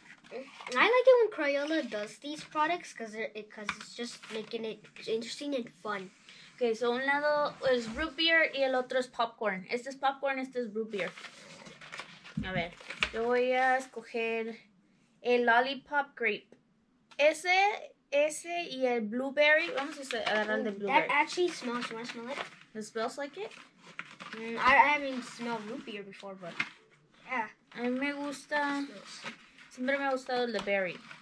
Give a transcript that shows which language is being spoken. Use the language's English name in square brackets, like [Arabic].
[English] I like it when Crayola does these products because it's just making it interesting and fun. [Spanish] Ok, so un lado es root beer y el otro es popcorn. Este es popcorn, este es root beer. A ver, yo voy a escoger el lollipop grape. Ese y el blueberry. Vamos a agarrar el de blueberry. [English] That actually smells, you want to smell it? It smells like it? I haven't smelled root beer before, but yeah. [Spanish] A mí me gusta, siempre me ha gustado el de berry.